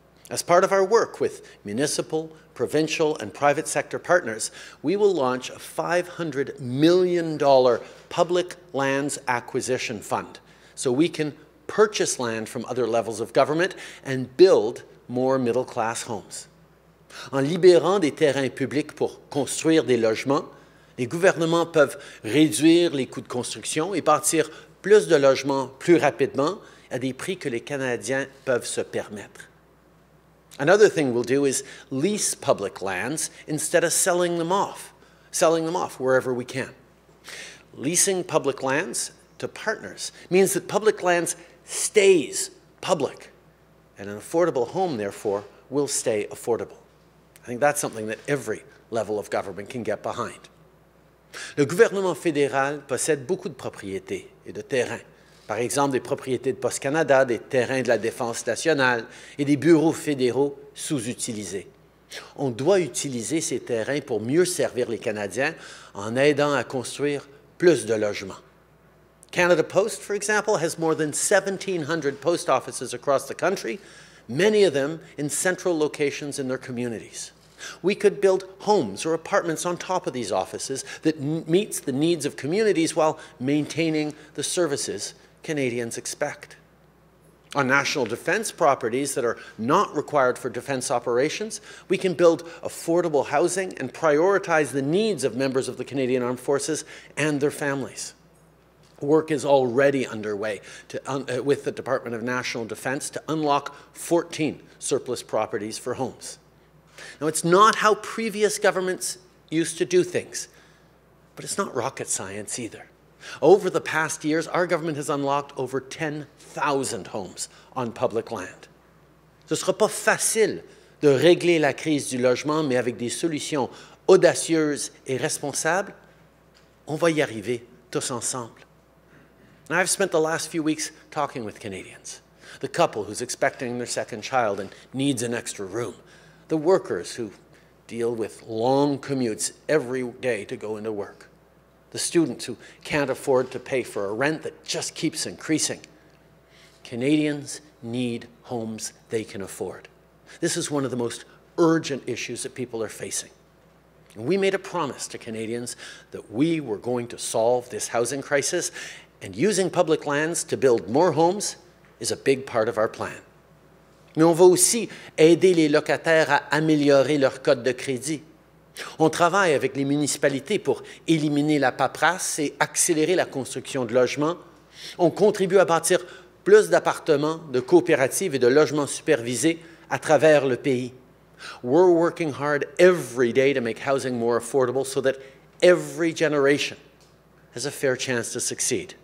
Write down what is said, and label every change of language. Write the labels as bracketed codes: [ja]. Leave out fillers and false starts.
[en] As part of our work with municipal, provincial, and private sector partners, we will launch a $500 million public lands acquisition fund so we can purchase land from other levels of government and build more middle-class homes. [fr] En libérant des terrains publics pour construire des logements, les gouvernements peuvent réduire les coûts de construction et bâtir plus de logements plus rapidement à des prix que les Canadiens peuvent se permettre. [en] Another thing we'll do is lease public lands instead of selling them off wherever we can. Leasing public lands to partners means that public lands stays public, and an affordable home, therefore, will stay affordable. I think that's something that every level of government can get behind. [fr] Le gouvernement fédéral possède beaucoup de propriétés et de terrains. Par exemple, des propriétés de Postes Canada, des terrains de la Défense nationale et des bureaux fédéraux sous-utilisés. On doit utiliser ces terrains pour mieux servir les Canadiens en aidant à construire plus de logements. [en] Canada Post, for example, has more than 1,700 post offices across the country, many of them in central locations in their communities. We could build homes or apartments on top of these offices that meets the needs of communities while maintaining the services Canadians expect. On national defense properties that are not required for defense operations, we can build affordable housing and prioritize the needs of members of the Canadian Armed Forces and their families. Work is already underway with the Department of National Defense to unlock 14 surplus properties for homes. Now, it's not how previous governments used to do things, but it's not rocket science either. Over the past years, our government has unlocked over 10,000 homes on public land. [fr] Ce ne sera pas facile de régler la crise du logement, mais avec des solutions audacieuses et responsables, on va y arriver tous ensemble. [en] Now, I've spent the last few weeks talking with Canadians, the couple who's expecting their second child and needs an extra room, the workers who deal with long commutes every day to go into work, the students who can't afford to pay for a rent that just keeps increasing. Canadians need homes they can afford. This is one of the most urgent issues that people are facing. And we made a promise to Canadians that we were going to solve this housing crisis, and using public lands to build more homes is a big part of our plan. [fr] Mais on va aussi aider les locataires à améliorer leur code de crédit. On travaille avec les municipalités pour éliminer la paperasse et accélérer la construction de logements. On contribue à bâtir plus d'appartements, de coopératives et de logements supervisés à travers le pays. [en] We're working hard every day to make housing more affordable so that every generation has a fair chance to succeed.